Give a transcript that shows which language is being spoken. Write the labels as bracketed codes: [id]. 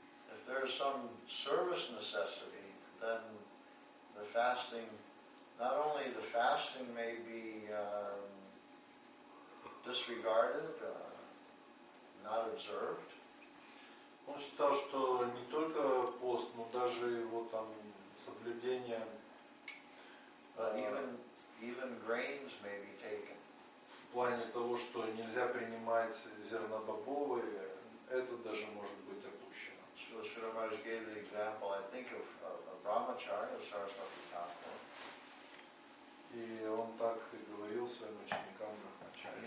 [en] if there is some service necessity, then the fasting, not only the fasting may be disregarded, not observed. [ru] Он считал, что не только пост, но даже его там соблюдение. [en] Even grains may be taken. [ru] В плане того, что нельзя принимать зернобобовые, это даже может быть опущено. [en] Srila Sridhar Maharaj gave the example, I think, of a brahmacharya, Saraswati Thakur. [ru] И он так и говорил своим ученикам брахмачарьям.